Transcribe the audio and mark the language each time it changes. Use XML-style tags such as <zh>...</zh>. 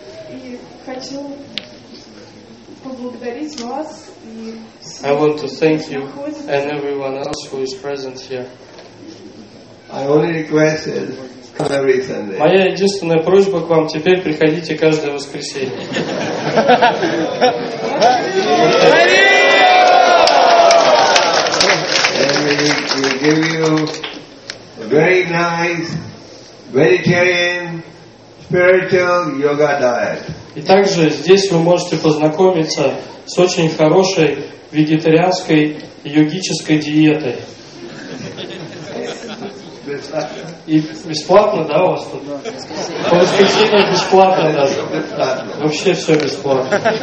<ru>И хочу поблагодарить вас и всех.</ru> <en>I want to thank you and everyone else who is present here. I only requested.</en> <ru>Моя единственная просьба к вам — теперь приходите каждое воскресенье.</ru> <en>And we give you a very nice vegetarian spiritual yoga diet.</en> <ru>И также здесь вы можете познакомиться с очень хорошей вегетарианской йогической диетой. И бесплатно, да, у вас тут? Да. По воскресенье бесплатно даже. Вообще все бесплатно.</ru>